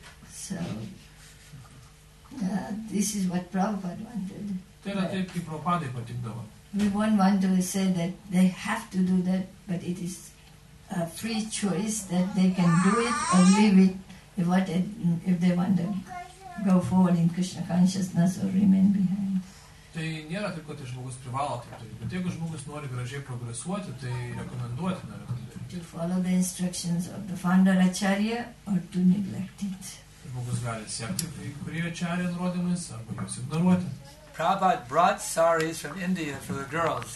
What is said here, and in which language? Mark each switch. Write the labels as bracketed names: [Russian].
[English] So, this is what Prabhupada wanted. We won't want to say that they have to do that, but it is a free choice that they can do it or leave it if they want to go forward in Krishna consciousness or remain behind. [Lithuanian] Tai nėra taip, kad žmogus privalo taip daryti. Bet jeigu žmogus nori gražiai progresuoti, tai rekomenduotina yra [English] to follow the instructions of the founder acharya or to neglect it. [Lithuanian] Žmogus gali sekti kai kurie acharya nurodymais arba juos ignoruoti. [English] Prabhupada brought saris from India for the girls.